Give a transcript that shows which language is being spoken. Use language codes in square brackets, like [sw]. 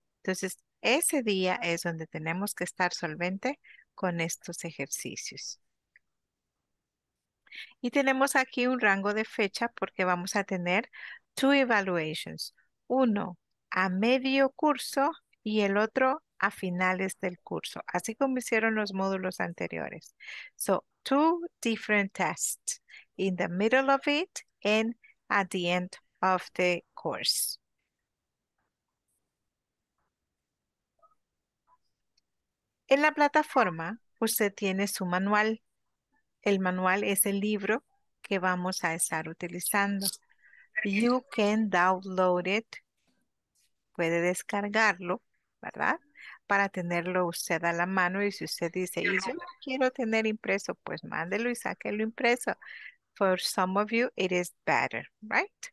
[es] Entonces, ese día es donde tenemos que estar solvente con estos ejercicios. Y tenemos aquí un rango de fecha porque vamos a tener [en] two evaluations. [es] Uno a medio curso y el otro a finales del curso, así como hicieron los módulos anteriores. [en] So, two different tests, in the middle of it and at the end of the course. [es] En la plataforma, usted tiene su manual. El manual es el libro que vamos a estar utilizando. [en] You can download it. [es] Puede descargarlo, ¿verdad? Para tenerlo usted a la mano. Y si usted dice, y yo no quiero tener impreso, pues mándelo y sáquelo impreso. [en] For some of you, it is better, right?